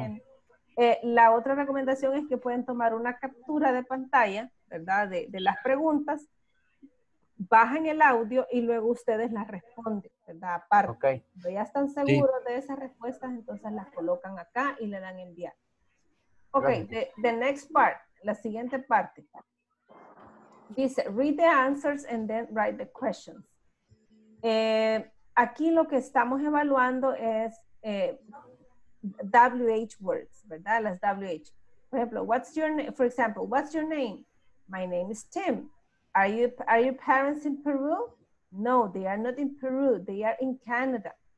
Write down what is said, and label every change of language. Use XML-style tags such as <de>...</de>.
<en>And,</en> <es>la otra recomendación es que pueden tomar una captura de pantalla, ¿verdad? De las preguntas, bajan el audio y luego ustedes las responden, ¿verdad? Aparte,</es> <en>okay.</en> <es>Cuando ya están seguros de esas respuestas, entonces las colocan acá y le dan enviar.</es> <en>Ok, the next part,</en> <es>la siguiente parte. Dice,</es> <en>read the answers and then write the questions.</en> <es>Aquí lo que estamos evaluando es WH words, ¿verdad? Las WH. Por ejemplo,</es> <en>what's your name? My name is Tim. Are your parents in Peru? No, they are not in Peru. They are in Canada.</en>